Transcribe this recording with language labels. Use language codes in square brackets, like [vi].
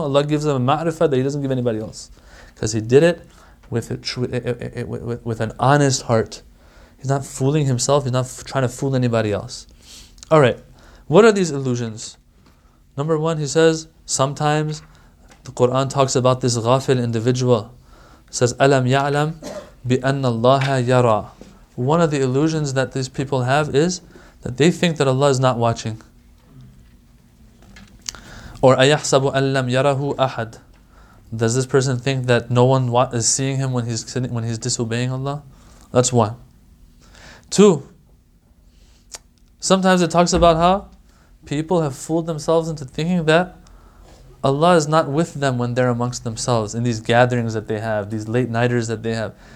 [en] Allah gives him a ma'rifah that he doesn't give anybody else, because he did it with an honest heart. He's not fooling himself, he's not trying to fool anybody else. Alright, what are these illusions? Number one, he says, sometimes the Qur'an talks about this ghafil individual. It says, [ar] أَلَمْ يَعْلَمْ بِأَنَّ اللَّهَ يَرَىٰ. [en] One of the illusions that these people have is that they think that Allah is not watching. [ar] Or أَيَحْسَبُ أَنْ لَمْ يَرَهُ أَحَدٍ. [en] Does this person think that no one is seeing him when he's disobeying Allah? That's one. Two, sometimes it talks about how people have fooled themselves into thinking that Allah is not with them when they're amongst themselves in these gatherings that they have, these late nighters that they have.